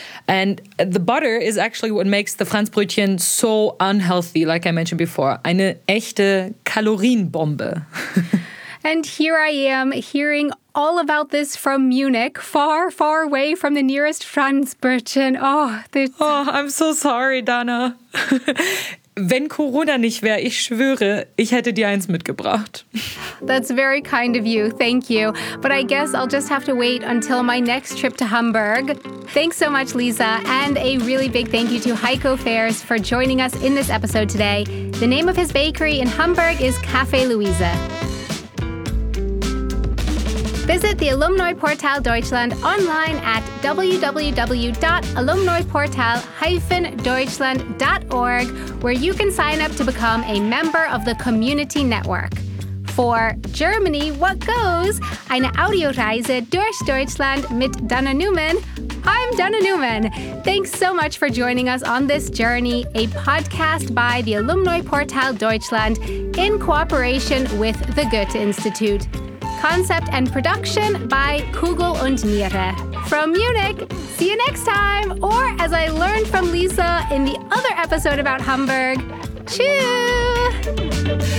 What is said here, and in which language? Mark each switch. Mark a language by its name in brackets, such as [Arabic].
[English] And the butter is actually what makes the Franzbrötchen so unhealthy, like I mentioned before. [German] Eine echte Kalorienbombe. [English] And here I am hearing all about this from Munich, far, far away from the nearest Franzbrötchen. Oh, I'm so sorry, Dana. [German] Wenn Corona nicht wäre, ich schwöre, ich hätte dir eins mitgebracht. [English] That's very kind of you. Thank you. But I guess I'll just have to wait until my next trip to Hamburg. Thanks so much, Lisa. And a really big thank you to Heiko Fairs for joining us in this episode today. The name of his bakery in Hamburg is Café Luise. Visit the Alumni Portal Deutschland online at www.alumniportal-deutschland.org, where you can sign up to become a member of the community network. For Germany, what goes? [German] Eine Audioreise durch Deutschland mit Dana Newman. [English] I'm Dana Newman. Thanks so much for joining us on this journey, a podcast by the Alumni Portal Deutschland in cooperation with the Goethe-Institut. Concept and production by Kugel und Niere. From Munich, see you next time. Or as I learned from Lisa in the other episode about Hamburg, tschüss.